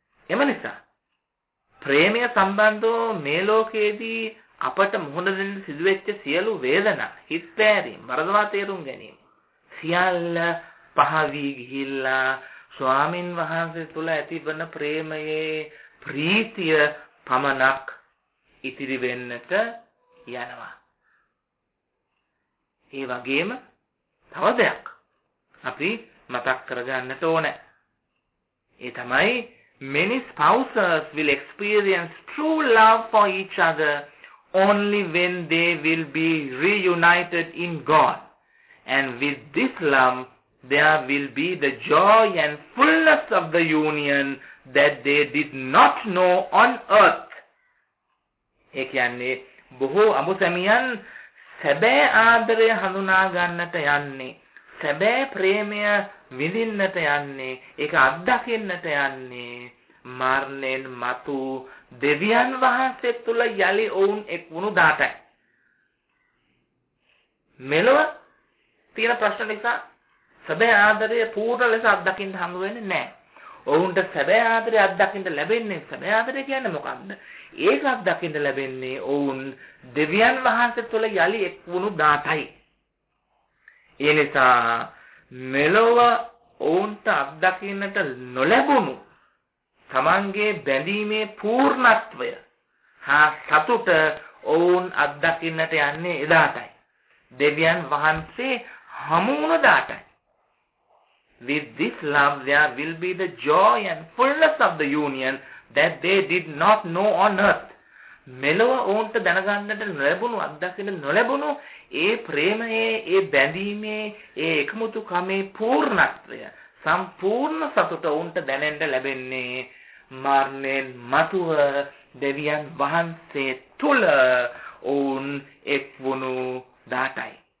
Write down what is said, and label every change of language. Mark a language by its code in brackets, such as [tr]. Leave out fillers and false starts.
[si] එම නිසා ප්‍රේමය සම්බන්ධව මේ ලෝකයේදී අපට මුහුණ දෙන්න සිදුවෙච්ච සියලු වේදනා, හිත් පෑරීම්, වරදවා තේරුම් ගැනීම සියල්ල පහ වී ගිහිල්ලා ස්වාමින් වහන්සේ තුළ ඇතිවන ප්‍රේමයේ ප්‍රීතිය පමණක් ඉතිරි වෙන්නට යනවා. ඒ වගේම තව දෙයක් අපි මතක් කරගන්නට ඕනේ. ඒ තමයි [en] many spouses will experience true love for each other only when they will be reunited in God. And with this love, there will be the joy and fullness of the union that they did not know on earth. [si] ඒ කියන්නේ බොහෝ අමුසැමියන් සැබෑ ආදරය හඳුනා ගන්නට යන්නේ, සැබෑ ප්‍රේමය විඳින්නට යන්නේ, ඒක අත්දකින්නට යන්නේ මරණයෙන් මතු දෙවියන් වහන්සේ තුළ යළි ඔවුන් එක් වුණු දාටයි. මෙලොව තියෙන ප්‍රශ්න නිසා සැබෑ ආදරය පූර්ණ ලෙස අත්දකින්න හම්බ වෙන්නේ නැහැ. ඔවුන්ට සැබෑ ආදරය අත්දකින්න ලැබෙන්නේ, සැබෑ ආදරය කියන්නේ මොකක්ද? ඒක අත්දකින්න ලැබෙන්නේ ඔවුන් දෙවියන් වහන්සේ තුළ යළි එක් වුණු දාතයි. ඒ නිසා මෙලොව ඔවුන්ට අත්දකින්නට නොලැබුණු තමන්ගේ බැඳීමේ පූර්ණත්වය හා සතුට ඔවුන් අත්දකින්නට යන්නේ එදාටයි, දෙවියන් වහන්සේ හමු වුණ දාටයි. [en] With this love there will be the joy and fullness of the union that they did not know on earth. [si] මෙලොව ඔවුන්ට දැනගන්නට නොලැබුණු අත්දකින්න නොලැබුණු ඒ ප්‍රේමයේ, ඒ බැඳීමේ, ඒ එකමුතුකමේ පූර්ණත්වය, සම්පූර්ණ සතුට ඔවුන්ට දැනෙන්න ලැබෙන්නේ මරණයෙන් මතුව දෙවියන් වහන්සේ තුළ ඔවුන් එක් වුණු දාටයි.